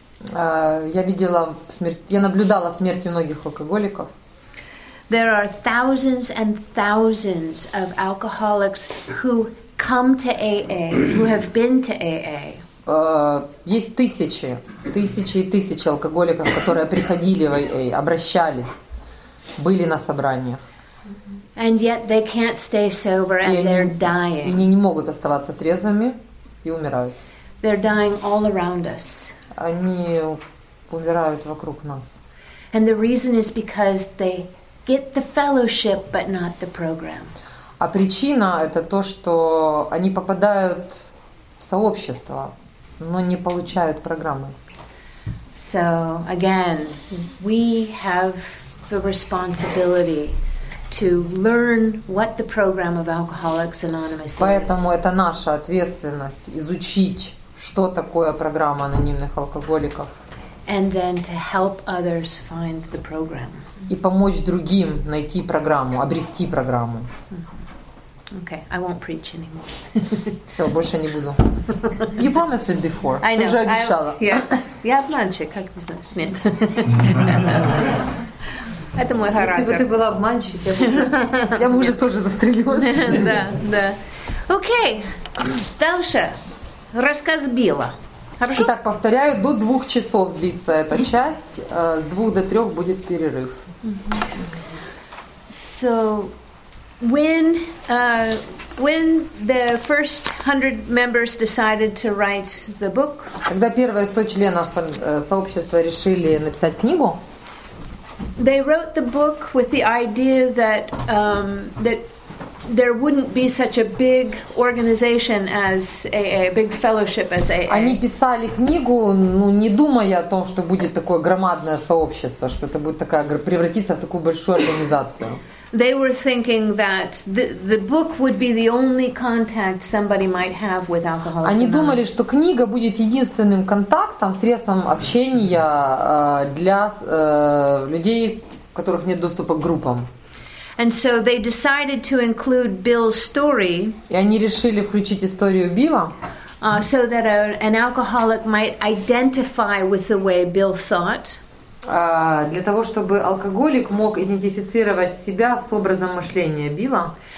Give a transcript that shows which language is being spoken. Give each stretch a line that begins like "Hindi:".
Russian: Я видела смерть, я наблюдала смерти многих алкоголиков.
English: There are thousands and thousands of alcoholics who come to AA, who have been to AA.
Russian: Есть тысячи, тысячи и тысячи алкоголиков, которые приходили в AA, обращались, были на собраниях.
English: And yet they can't stay sober and they're dying.
Russian: И они не могут оставаться трезвыми и умирают.
English: They're dying all around us.
Russian: Они умирают вокруг нас.
English: And the reason is because they get the fellowship, but not the program.
Russian: А причина это то, что они попадают в сообщество, но не получают программы.
English: So again, we have the responsibility to learn what the program of Alcoholics Anonymous is.
Russian: Поэтому это наша ответственность изучить, что такое программа анонимных алкоголиков.
English: And then to help others find the program.
Russian: И помочь другим найти программу, обрести программу.
English: Okay, I won't preach anymore.
Russian: Все, больше не буду.
English: You promised it before. I know.
Russian: Ты же обещала.
English: Yeah.
Russian: Я обманщик, как ты знаешь. Нет. Это мой характер. Если бы ты была обманщик, я бы уже тоже застрелилась. Да, да. Окей. Дальше. Рассказ Билла. Хорошо? Итак, повторяю, до 2 часов длится эта часть. С 2 до 3 будет перерыв.
English: So... When the first 100 members decided to write the book,
Russian: когда первые 100 членов сообщества решили написать книгу,
English: they wrote the book with the idea that that there wouldn't be such a big organization as AA, a big fellowship as AA.
Russian: Они писали книгу, ну не думая о том, что будет такое громадное сообщество, что это будет такая превратиться в такую большую организацию.
English: They were thinking that the book would be the only contact somebody might have with Alcoholics Anonymous.
Russian: Они думали, что книга будет единственным контактом, средством общения для людей, у которых нет доступа к группам.
English: And so they decided to include Bill's story.
Russian: И они решили включить историю Билла.
English: So that an alcoholic might identify with the way Bill thought.
Russian: Для того, чтобы алкоголик мог идентифицировать себя с образом мышления Билла.